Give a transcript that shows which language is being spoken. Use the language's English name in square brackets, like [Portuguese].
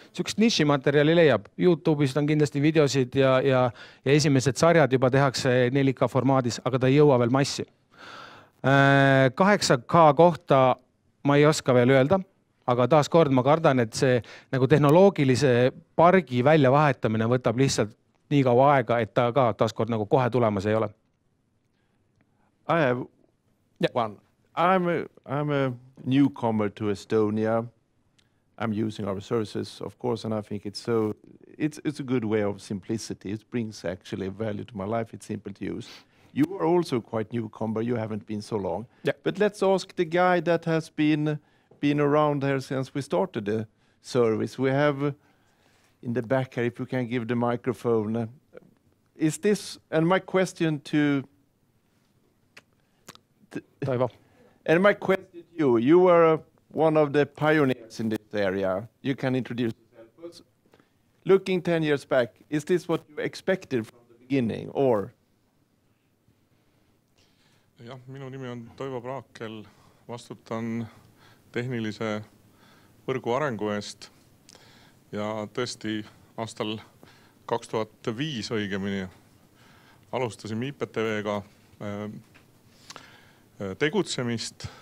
[Estonian] Siukest niši materjali leiab. YouTube'ist on kindlasti videosid ja esimesed sarjad juba tehakse 4K formaadis, aga ta ei jõua veel massi. 8K kohta ma ei oska veel öelda. Aga taas kord ma kardan, et see nagu tehnoloogilise pargi välja vahetamine võtab lihtsalt nii kaua aega, et ta ka taas kord nagu kohe tulemas ei ole. [English] I have one. I'm a newcomer to Estonia. I'm using our services, of course, and I think it's a good way of simplicity. It brings actually value to my life. It's simple to use. You are also quite newcomer. You haven't been so long. Yeah. But let's ask the guy that has been around here since we started the service. We have in the back here, if you can give the microphone. Is this, and my question to... Taivo. And my question to you, you were one of the pioneers in this area. You can introduce yourself. Looking 10 years back, is this what you expected from the beginning or? [Estonian] Jah, minu nimi on Toivo Praakel. Vastutan tehnilise võrgu arengu eest. Ja tõesti aastal 2005 õigemini alustasin IPTV-ga tegutsemist.